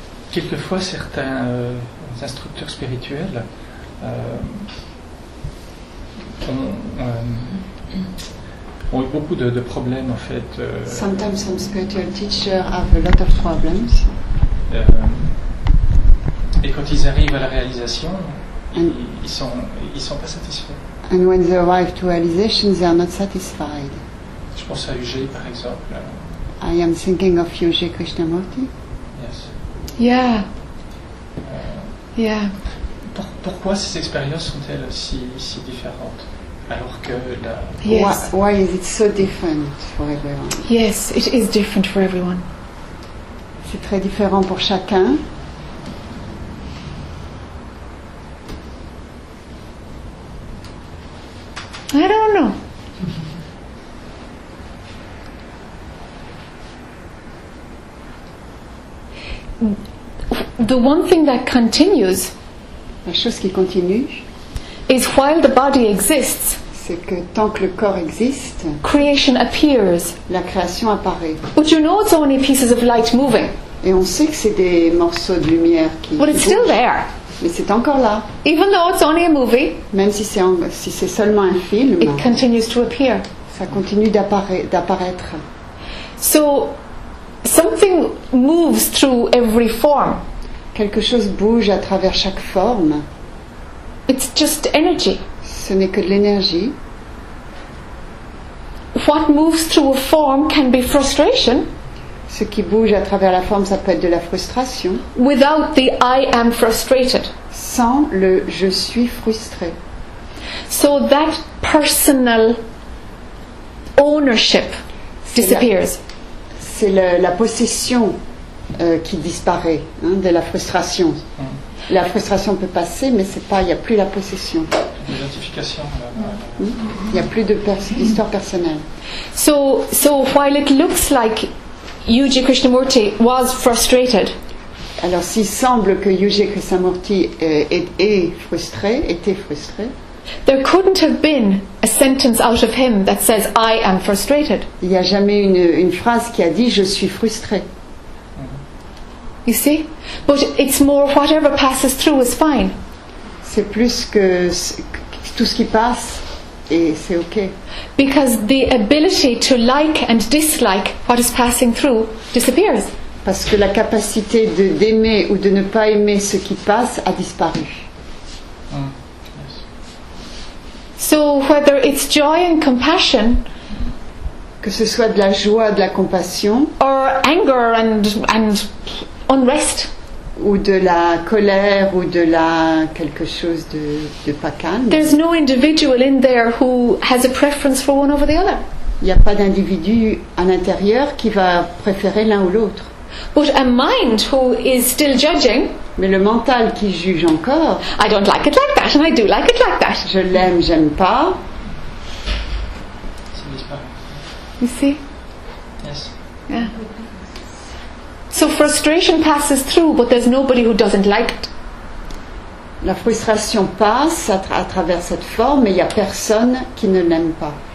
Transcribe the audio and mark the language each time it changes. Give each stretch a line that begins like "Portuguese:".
French: Quelquefois, certains instructeurs spirituels ont eu beaucoup de problèmes, en fait.
English: Sometimes some spiritual teachers have a lot of problems.
French: Et quand ils arrivent à la réalisation, ils sont pas satisfaits.
English: And when they arrive to realization, they are not satisfied.
French: Je pense à Uge, par exemple.
English: I am thinking of Uge Krishnamurti. Yes. Yeah. Yeah.
French: Pourquoi ces expériences sont-elles si différentes alors que la?
English: Yes. Why is it so different for everyone? Yes, it is different for everyone.
French: C'est très différent pour chacun.
English: I don't know. The one thing that continues,
French: la chose qui continue,
English: is while the body exists,
French: c'est que tant que le corps existe,
English: creation appears,
French: la création apparaît.
English: But you know it's only pieces of light moving.
French: Et on sait que c'est des morceaux de lumière qui.
English: But it's still there.
French: Mais c'est encore là.
English: Even though it's only a movie,
French: même si c'est seulement un film,
English: it continues to appear.
French: Ça continue d'apparaître.
English: So, something moves through every form.
French: Quelque chose bouge à travers chaque forme.
English: It's just energy.
French: Ce n'est que de l'énergie.
English: What moves through a form can be frustration.
French: Ce qui bouge à travers la forme, ça peut être de la frustration.
English: Without the I am frustrated.
French: Sans le je suis frustré.
English: So that personal ownership disappears.
French: c'est la possession qui disparaît, hein, de la frustration. Mm. La frustration peut passer, mais c'est pas, il n'y a plus la possession. L'identification. Il n'y a plus d'histoire personnelle.
English: So while it looks like Yuji Krishnamurti was frustrated.
French: Alors, s'il semble que Yuji Krishnamurti était frustré.
English: There couldn't have been a sentence out of him that says I am frustrated.
French: Il n'y a jamais une phrase qui a dit je suis frustré.
English: You see? But it's more whatever passes through is fine.
French: C'est plus que tout ce qui passe et c'est okay.
English: Because the ability to like and dislike what is passing through disappears.
French: Parce que la capacité d'aimer ou de ne pas aimer ce qui passe a disparu.
English: So whether it's joy and compassion,
French: que ce soit de la joie, de la compassion,
English: or anger and unrest,
French: ou de la colère ou de la quelque chose de pas calme,
English: there's no individual in there who has a preference for one over the other.
French: Il n'y a pas d'individu à l'intérieur qui va préférer l'un ou l'autre.
English: But a mind who is still judging.
French: Mais le mental qui juge encore.
English: I don't like it like that, and I do like it like that.
French: Je l'aime, j'aime pas.
English: You see? Yes. Yeah. So frustration passes through, but there's nobody who doesn't like it.
French: La frustration passe à travers cette forme, mais il y a personne qui ne l'aime pas.